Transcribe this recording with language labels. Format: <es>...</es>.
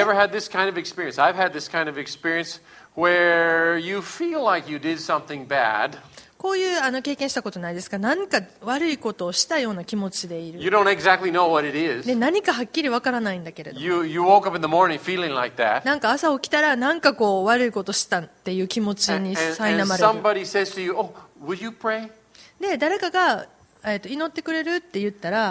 <en>Have you ever had this kind of experience? I've had this kind of experience where you feel like you did something bad.</en> <ja>こういう経験したことないですか？何か悪いことをしたような気持ちでいる。</ja> <en>You don't exactly know what it is.</en> <ja>で、何かはっきりわからないんだけれども。</ja> <en>You woke up in the morning feeling like that.</en> <ja>なんか朝起きたら何かこう悪いことしたっていう気持ちに苛まれる。</ja> <en>Somebody says to you, "Oh, will you pray?"</en> <ja>で、誰かが祈ってくれるって言ったら、</ja>